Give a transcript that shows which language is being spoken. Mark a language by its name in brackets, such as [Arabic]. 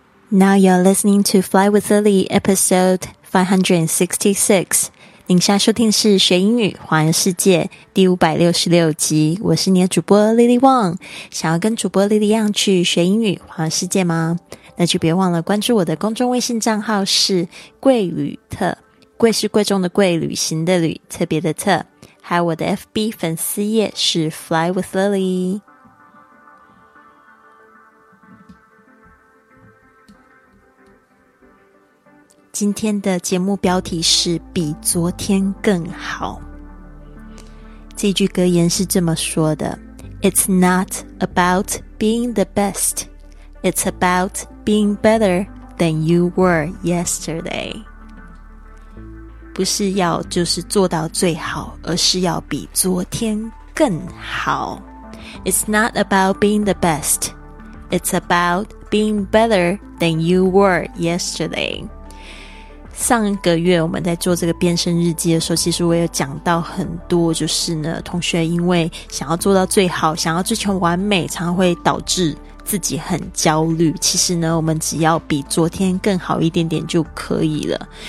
[English] Now you're listening to Fly with Lily, episode 566. [Chinese] 您现在收听的是学英语环游世界第566集。我是你的主播 Lily Wang。想要跟主播 Lily 一样去学英语环游世界吗？那就别忘了关注我的公众微信账号是贵旅特。贵是贵重的贵，旅行的旅，特别的特。还有我的 FB 粉丝页是 Fly with Lily。今天的节目标题是比昨天更好。这句格言是这么说的， [English] It's not about being the best, it's about being better than you were yesterday. [Chinese] 不是要就是做到最好，而是要比昨天更好。 [English] It's not about being the best, it's about being better than you were yesterday. [Chinese] 上个月我们在做这个变身日记的时候，其实我有讲到很多，就是呢同学因为想要做到最好，想要追求完美，常常会导致自己很焦虑。其实呢我们只要比昨天更好一点点就可以了。